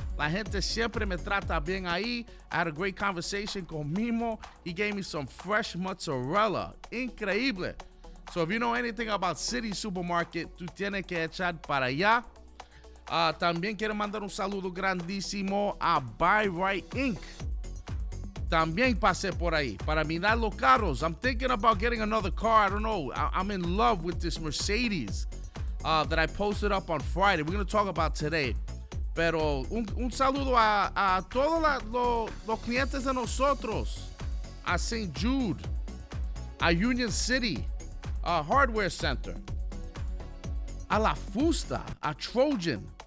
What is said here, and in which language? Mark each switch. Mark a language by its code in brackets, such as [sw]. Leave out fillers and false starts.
[es] La gente siempre me trata bien ahí. [en] I had a great conversation [es] con Mimo. [en] He gave me some fresh mozzarella. Increíble. So if you know anything about City Supermarket, [es] tú tienes que echar para allá. También quiero mandar un saludo grandísimo a Buy Right Inc. También pasé por ahí. Para mirar los carros, [en] I'm thinking about getting another car. I don't know. I'm in love with this Mercedes that I posted up on Friday. We're going to talk about today. [es] Pero un saludo a todos los clientes de nosotros. A St. Jude. A Union City. A Hardware Center. A La Fusta. A Trojan.